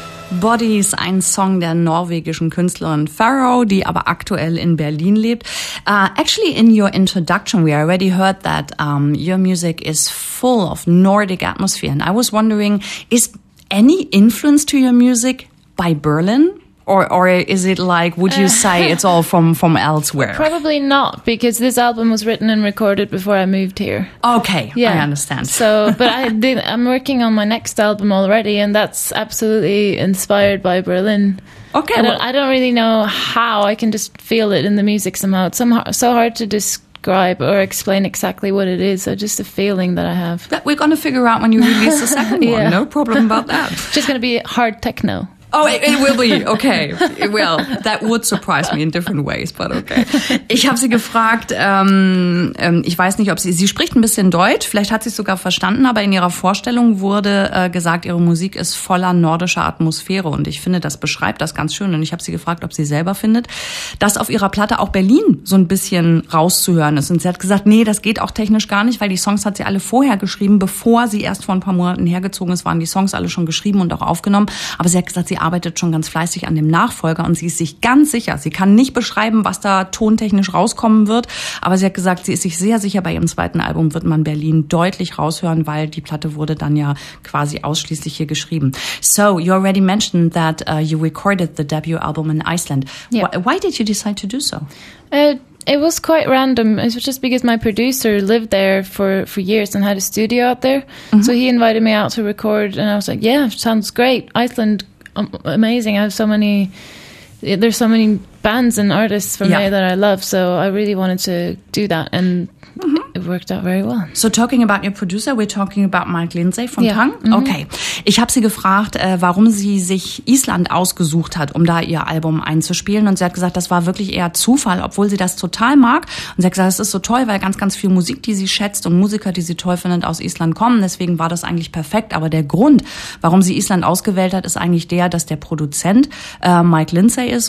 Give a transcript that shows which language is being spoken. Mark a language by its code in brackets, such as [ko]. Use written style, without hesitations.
[de] Bodies, ein Song der norwegischen Künstlerin Pharaoh, die aber aktuell in Berlin lebt. [en] Actually, in your introduction, we already heard that your music is full of Nordic atmosphere. And I was wondering, is any influence to your music by Berlin? Or is it like, would you say it's all from elsewhere? Probably not, because this album was written and recorded before I moved here. Okay, yeah. I understand. So, but I'm working on my next album already, and that's absolutely inspired by Berlin. Okay. I don't really know how, I can just feel it in the music somehow. It's so hard to describe or explain exactly what it is, so just a feeling that I have. But we're going to figure out when you release the second yeah. one, no problem about that. It's just going to be hard techno. Oh, it will be. Okay, it will. That would surprise me in different ways, but okay. [de] Ich habe sie gefragt, ich weiß nicht, ob sie spricht ein bisschen Deutsch, vielleicht hat sie es sogar verstanden, aber in ihrer Vorstellung wurde gesagt, ihre Musik ist voller nordischer Atmosphäre und ich finde, das beschreibt das ganz schön und ich habe sie gefragt, ob sie selber findet, dass auf ihrer Platte auch Berlin so ein bisschen rauszuhören ist und sie hat gesagt, nee, das geht auch technisch gar nicht, weil die Songs hat sie alle vorher geschrieben, bevor sie erst vor ein paar Monaten hergezogen ist, waren die Songs alle schon geschrieben und auch aufgenommen, aber sie hat gesagt, sie arbeitet schon ganz fleißig an dem Nachfolger und sie ist sich ganz sicher. Sie kann nicht beschreiben, was da tontechnisch rauskommen wird, aber sie hat gesagt, sie ist sich sehr sicher, bei ihrem zweiten Album wird man Berlin deutlich raushören, weil die Platte wurde dann ja quasi ausschließlich hier geschrieben. [en] So, you already mentioned that you recorded the debut album in Iceland. Yeah. Why did you decide to do so? It was quite random. It was just because my producer lived there for years and had a studio out there. Mm-hmm. So he invited me out to record and I was like, yeah, sounds great. Iceland, amazing. I have so many, there's so many bands and artists from there that I love. So I really wanted to do that and it worked out very well. So talking about your producer, we're talking about Mike Lindsay from Tang. Mm-hmm. Okay. [de] Ich habe sie gefragt, warum sie sich Island ausgesucht hat, um da ihr Album einzuspielen. Und sie hat gesagt, das war wirklich eher Zufall, obwohl sie das total mag. Und sie hat gesagt, es ist so toll, weil ganz, ganz viel Musik, die sie schätzt und Musiker, die sie toll findet, aus Island kommen. Deswegen war das eigentlich perfekt. Aber der Grund, warum sie Island ausgewählt hat, ist eigentlich der, dass der Produzent Mike Lindsay ist.